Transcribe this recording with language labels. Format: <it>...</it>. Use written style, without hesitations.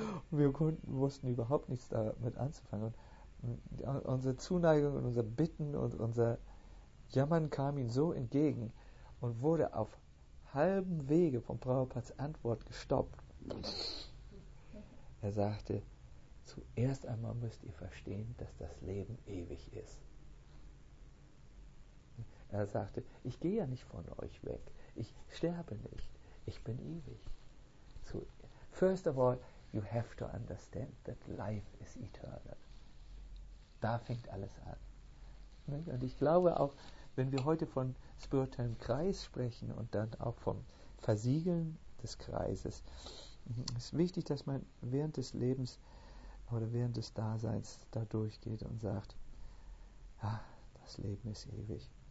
<de>Und wir wussten überhaupt nichts damit anzufangen. Und unsere Zuneigung und unser Bitten und unser Jammern kam ihm so entgegen und wurde auf halbem Wege von Prabhupads Antwort gestoppt. Er sagte, zuerst einmal müsst ihr verstehen, dass das Leben ewig ist. Er sagte, ich gehe ja nicht von euch weg. Ich sterbe nicht. Ich bin ewig.</de> <en>So, first of all, you have to understand that life is eternal.</en> <de>Da fängt alles an. Und ich glaube auch, wenn wir heute von spirituellem Kreis sprechen und dann auch vom Versiegeln des Kreises, es ist wichtig, dass man während des Lebens oder während des Daseins da durchgeht und sagt, ja, das Leben ist ewig.</de>